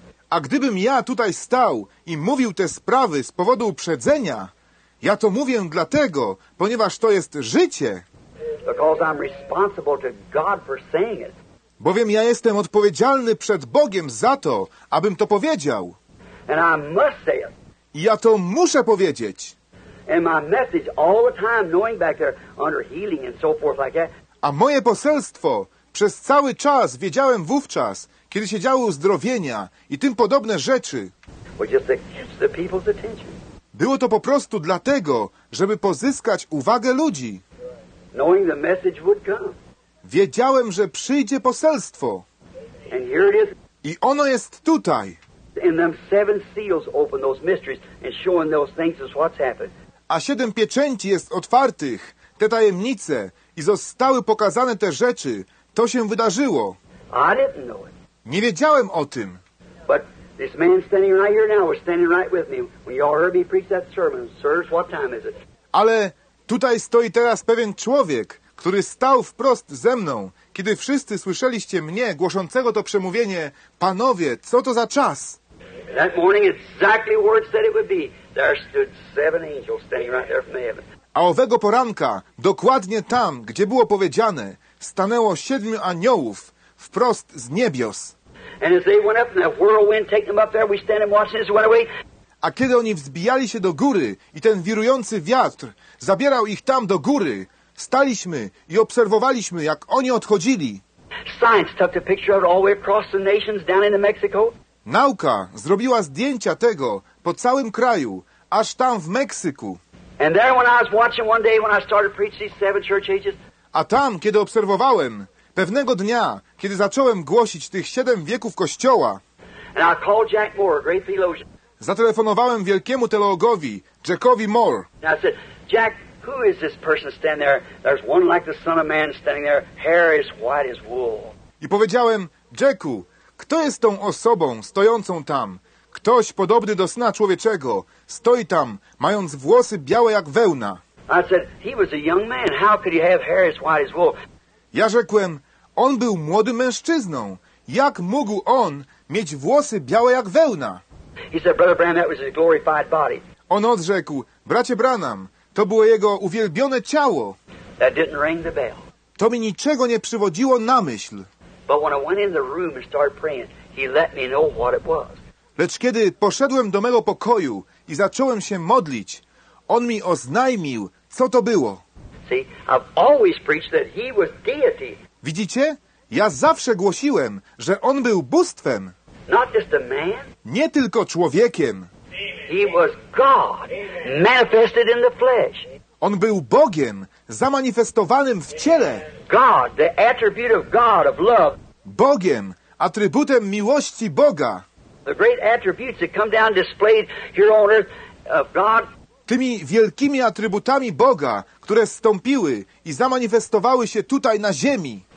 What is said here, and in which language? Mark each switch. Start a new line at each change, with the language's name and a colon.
Polish: A gdybym ja tutaj stał i mówił te sprawy z powodu uprzedzenia, ja to mówię dlatego, ponieważ to jest życie.
English: Because I'm responsible to God for saying it.
Polish: Bowiem ja jestem odpowiedzialny przed Bogiem za to, abym to powiedział.
English: And I must say it.
Polish: I ja to muszę powiedzieć.
English: And my message all the time, knowing back there under healing and so forth like that.
Polish: A moje poselstwo przez cały czas wiedziałem wówczas, kiedy się działo uzdrowienia i tym podobne rzeczy.
English: Well, just to catch the people's attention.
Polish: Było to po prostu dlatego, żeby pozyskać uwagę ludzi.
English: Knowing the message would come.
Polish: Wiedziałem, że przyjdzie poselstwo.
English: And here it is.
Polish: I ono jest tutaj.
English: And them seven seals open those mysteries and showing those things is what's happened.
Polish: A siedem pieczęci jest otwartych, te tajemnice, i zostały pokazane te rzeczy. To się wydarzyło.
English: I didn't know it.
Polish: Nie wiedziałem o tym.
English: But this man standing right here now was standing right with me. When y'all heard me preach that sermon, sirs, what time is it?
Polish: Ale tutaj stoi teraz pewien człowiek, który stał wprost ze mną, kiedy wszyscy słyszeliście mnie, głoszącego to przemówienie. Panowie, co to za czas?
English: That morning exactly where it said it would be. There stood seven angels standing right there from the heaven.
Polish: A owego poranka, dokładnie tam, gdzie było powiedziane, stanęło siedmiu aniołów wprost z niebios.
English: And as they went up in that whirlwind, taking them up there, we stand and watch as it went away.
Polish: A kiedy oni wzbijali się do góry i ten wirujący wiatr zabierał ich tam do góry, staliśmy i obserwowaliśmy, jak oni odchodzili.
English: Science took a picture of it all the way across the nations down into Mexico.
Polish: Nauka zrobiła zdjęcia tego po całym kraju, aż tam w Meksyku.
English: And there when I was watching one day when I started preaching these seven church ages.
Polish: A tam, kiedy obserwowałem, pewnego dnia, kiedy zacząłem głosić tych siedem wieków Kościoła,
English: and I called Jack Moore, a great theologian.
Polish: Zatelefonowałem wielkiemu teologowi, Jackowi Moore.
English: And I said, Jack, who is this person standing there? There's one like the Son of Man standing there, hair as white as wool.
Polish: I powiedziałem, Jacku, kto jest tą osobą stojącą tam? Ktoś podobny do Syna Człowieczego stoi tam, mając włosy białe jak wełna.
English: I said, he was a young man. How could he have hair as white as wool?
Polish: Ja rzekłem, on był młodym mężczyzną. Jak mógł on mieć włosy białe jak wełna?
English: He said, Brother Branham, that was his glorified body.
Polish: On odrzekł, bracie Branham, to było jego uwielbione ciało.
English: That didn't ring the bell.
Polish: To mi niczego nie przywodziło na myśl.
English: But when I went in the room and started praying, he let me know what it was.
Polish: Lecz kiedy poszedłem do mego pokoju i zacząłem się modlić, on mi oznajmił, co to było.
English: See, I've always preached that he was deity.
Polish: Widzicie? Ja zawsze głosiłem, że on był bóstwem.
English: Not just a man.
Polish: Nie tylko człowiekiem.
English: He was God, manifested in the flesh.
Polish: On był Bogiem, zamanifestowanym w ciele.
English: God, the attribute of God, of love.
Polish: Bogiem, atrybutem miłości Boga.
English: The great attributes that come down displayed here on earth of God.
Polish: Tymi wielkimi atrybutami Boga, które stąpiły i zamanifestowały się tutaj na ziemi.